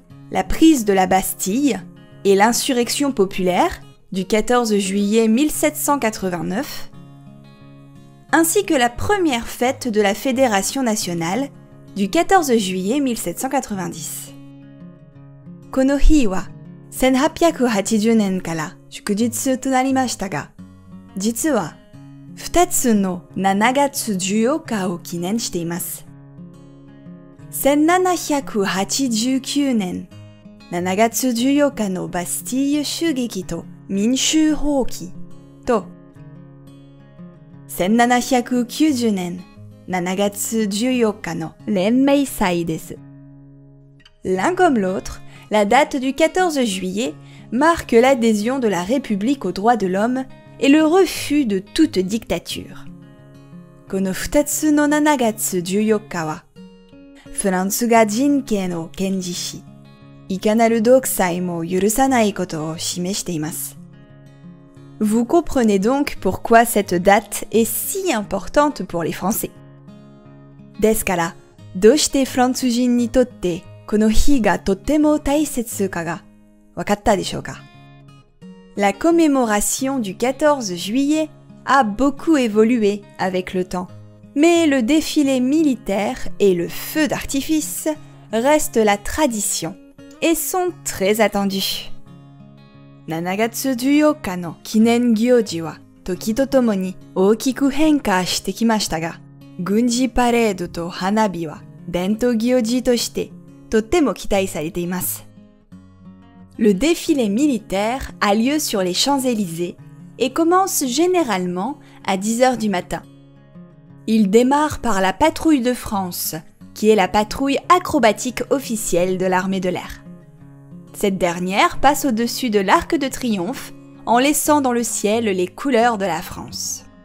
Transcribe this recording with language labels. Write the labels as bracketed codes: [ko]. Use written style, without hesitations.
[fr] La prise de la Bastille et l'insurrection populaire du 14 juillet 1789, ainsi que la première fête de la Fédération nationale du 14 juillet 1790. [ja] Kono hi wa 1880年から祝日となりましたが、実は2つの7月14日を記念しています。 1789年7月14日のバスティーユ襲撃と民衆蜂起と1790年7月14日の連盟祭です。 [fr] L'un comme l'autre, la date du 14 juillet marque l'adhésion de la République aux droits de l'homme et le refus de toute dictature. [ja] この2つの7月14日はフランスが人権を堅持しいかなる独裁も許さないことを示しています。 [fr] Vous comprenez donc pourquoi cette date est si importante pour les Français. [ja] ですから、どうしてフランス人にとってこの日がとても大切かが分かったでしょうか? [fr] La commémoration du 14 juillet a beaucoup évolué avec le temps, mais le défilé militaire et le feu d'artifice restent la tradition. Et sont très attendus. [ja] 7月14日の記念行事は時とともに大きく変化してきましたが、軍事パレードと花火は伝統行事としてとても期待されています。 [fr] Le défilé militaire a lieu sur les Champs-Élysées et commence généralement à 10h du matin. Il démarre par la patrouille de France, qui est la patrouille acrobatique officielle de l'armée de l'air. Cette dernière passe au-dessus de l'arc de triomphe en laissant dans le ciel les couleurs de la France.